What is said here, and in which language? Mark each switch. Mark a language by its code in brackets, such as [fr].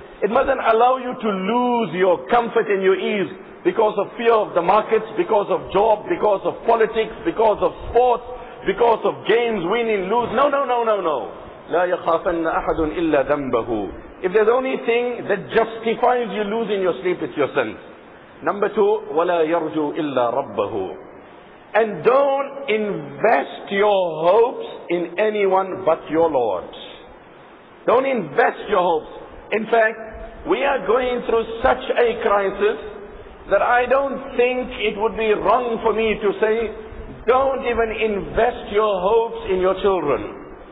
[en] It mustn't allow you to lose your comfort and your ease because of fear of the markets, because of job, because of politics, because of sports, because of games, winning, lose. No, no, no, no, no. [ar] لا يخافن أحد إلا ذنبه. [en] If there's only thing that justifies you losing your sleep, it's your sins. Number two, [ar] ولا يرجو إلا ربه. [en] And don't invest your hopes in anyone but your Lord. Don't invest your hopes. In fact, we are going through such a crisis that I don't think it would be wrong for me to say, don't even invest your hopes in your children.